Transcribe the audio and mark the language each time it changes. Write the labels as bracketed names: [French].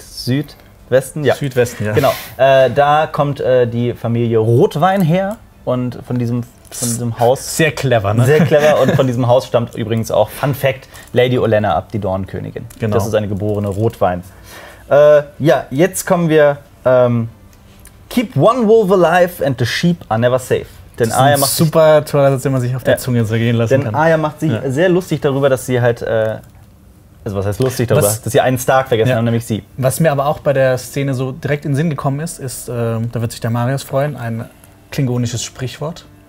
[German] Südwesten? Ja. Südwesten, ja. Genau. Da kommt die Familie Rotwein her und von diesem Haus. Sehr clever, ne? Sehr clever. Und von diesem Haus stammt übrigens auch, Fun Fact, Lady Olenna ab, die Dornenkönigin. Genau. Das ist eine geborene Rotwein. Ja, jetzt kommen wir. [English] Keep one wolf alive and the sheep are never safe. [German] Denn das ist Arya macht super sich, toll, dass man sich auf der Zunge zergehen lassen kann. Denn Arya macht sich sehr lustig darüber, dass sie halt. Also was heißt lustig darüber? Dass sie einen Stark vergessen haben, nämlich sie. Was mir aber auch bei der Szene so direkt in den Sinn gekommen ist, ist, da wird sich der Marius freuen, ein klingonisches Sprichwort.